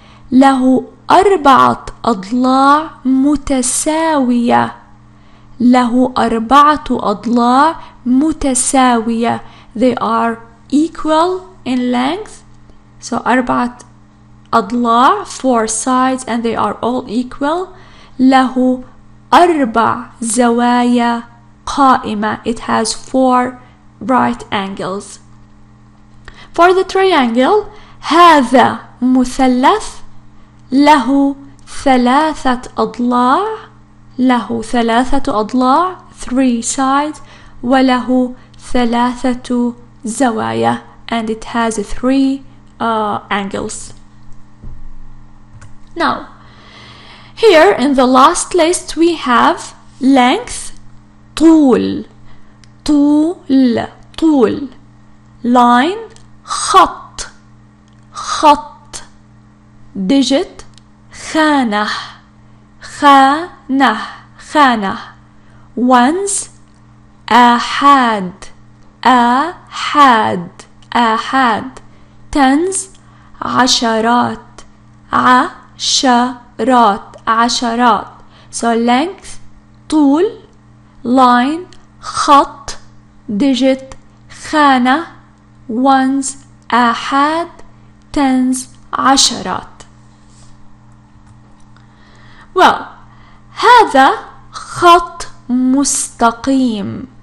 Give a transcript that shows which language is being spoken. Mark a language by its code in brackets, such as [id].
[ar] له أربعة أضلاع متساوية, له أربعة أضلاع متساوية, [en] they are equal in length, [ar] so أربعة أضلاع, [en] four sides, and they are all equal, [ar] له أربع زوايا قائمة, [en] it has four right angles. For the triangle, [ar] هذا مثلث له ثلاثة أضلاع له ثلاثة أضلاع [en] three sides [ar] وله ثلاثة زوايا [en] and it has three angles. Now, here in the last list we have length, [ar] طول, طول, طول, [en] line, [ar] خط, خط, [en] digit, [ar] خانة, خانة, خانة, [en] ones, [ar] أحد, أحد, أحد, [en] tens, [ar] عشرات, عشرات, عشرات. [en] So length, [ar] طول, [en] line, [ar] خط, [en] digit, [ar] خانة, [en] ones, [ar] أحد, [en] tens, [ar] عشرات. [en] Well, [ar] هذا خط مستقيم.